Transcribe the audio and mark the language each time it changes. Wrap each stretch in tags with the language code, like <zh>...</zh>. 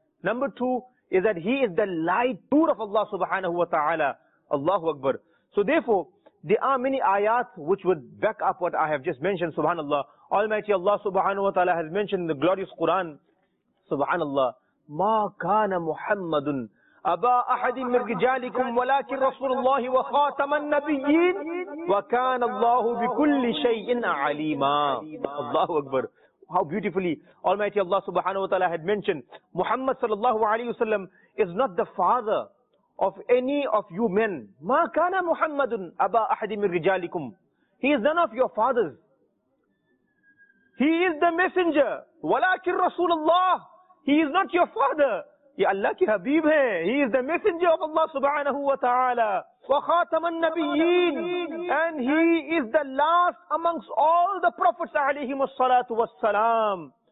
<en>Number two is that he is the light tour of Allah subhanahu wa ta'ala. Allahu Akbar. So therefore, there are many ayats which would back up what I have just mentioned, subhanallah. Almighty Allah subhanahu wa ta'ala has mentioned in the glorious Quran, subhanallah,</en> <ar>ما كان محمد أبا أحد من رجالكم ولكن رسول الله وخاتم النبيين وكان الله بكل شيء عليما. الله أكبر.</ar> <en>How beautifully Almighty Allah subhanahu wa ta'ala had mentioned, Muhammad sallallahu alayhi wa sallam is not the father of any of you men.</en> <ar>ما كان محمد أبا أحد من رجالكم.</ar> <en>He is none of your fathers. He is the messenger.</en> <ar>ولكن رسول الله.</ar> <en>He is not your father.</en> <ur>Ya Allah ki Habib hai.</ur> <en>He is the messenger of Allah subhanahu wa ta'ala.</en> <ar>Wa khataman nabiyyin.</ar> <en>And he is the last amongst all the prophets alayhim wa salatu wa salam.</en>